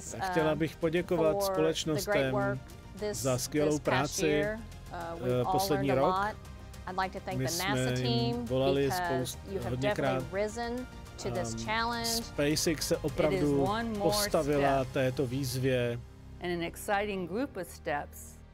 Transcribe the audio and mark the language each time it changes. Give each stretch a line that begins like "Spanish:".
Czech: Chtěla bych poděkovat společnostem za skvělou práci poslední rok.
English: I'd like to thank the NASA team because you have definitely risen to this challenge.
Czech: SpaceX se opravdu postavila této výzvě.
English: And an exciting group of steps.